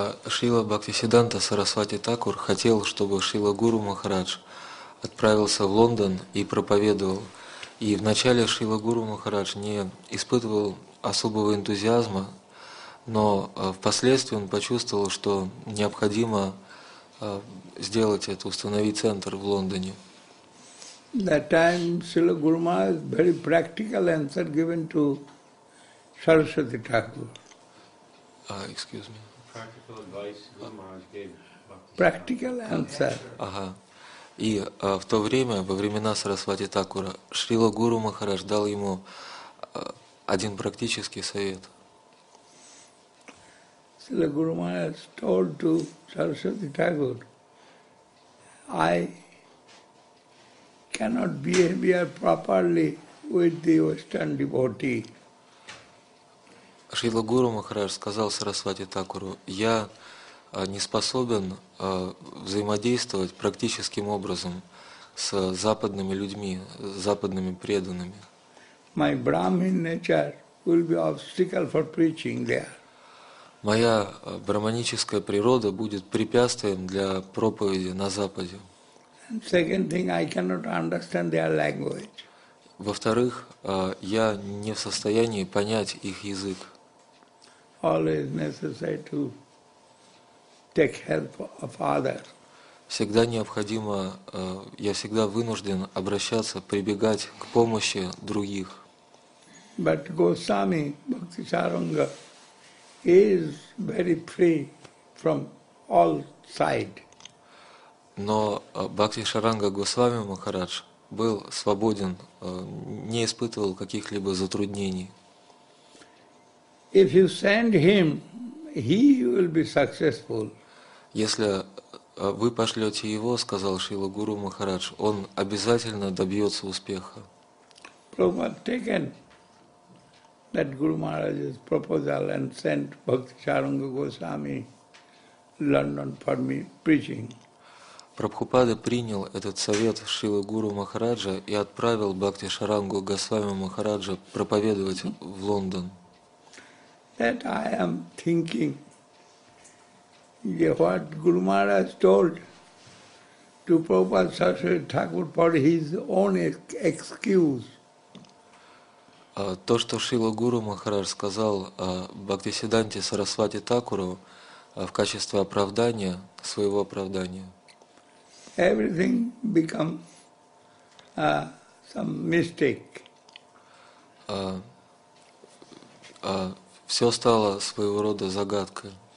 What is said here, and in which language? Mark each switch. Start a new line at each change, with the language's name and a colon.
Russian: Srila Bhaktisiddhanta Saraswati Thakur хотел, чтобы Srila Guru Maharaj отправился в Лондон и проповедовал. И вначале Srila Guru Maharaj не испытывал особого энтузиазма, но впоследствии он почувствовал, что необходимо сделать это, установить центр в Лондоне.
English: That time Srila Guru Maharaj very practical answer given to Saraswati Thakur. Excuse me. Practical advice Guru Maharaj gave. Practical answer.
Russian: Ага. И в то время, во времена Сарасвати Такура, Шрила Гуру Махарадж дал ему один практический совет.
English: Srila Guru Maharaj told to Saraswati Thakur, I cannot behave properly with the Western devotee.
Russian: Srila Guru Maharaj сказал Сарасвати Такуру, я не способен взаимодействовать практическим образом с западными людьми, с западными преданными.
English: My Brahmin nature will be obstacle for preaching there.
Russian: Моя брахманическая природа будет препятствием для проповеди на Западе.
English: Second thing, I cannot understand their language.
Russian: Во-вторых, я не в состоянии понять их язык.
English: Always necessary to take help of others.
Russian: Всегда необходимо, я всегда вынужден обращаться, прибегать к помощи других.
English: But Goswami, Bhaktisaranga, he is very free from all side.
Russian: Но Бхакти Шаранга Госвами Махарадж был свободен, не испытывал каких-либо затруднений.
English: If you send him, he will be successful.
Russian: Если вы пошлете его, сказал Шрила Гуру Махарадж, он обязательно добьется успеха.
English: Prabhupada taken that Guru Maharaj's proposal and sent Bhaktisaranga Goswami London for me preaching.
Russian: Прабхупада принял этот совет Шрилы Гуру Махараджа и отправил Бхактисарангу Госвами Махараджа проповедовать в Лондон.
English: That I am thinking, what Guru Maharaj told to Prabhupada Saraswati Thakur for his own excuse.
Russian: То, что Шрила Гуру Махарадж сказал Бхактисиддханте Сарасвати Такуру, а в качестве оправдания, своего оправдания.
English: Everything become some mistake.
Russian: Все стало своего рода загадкой.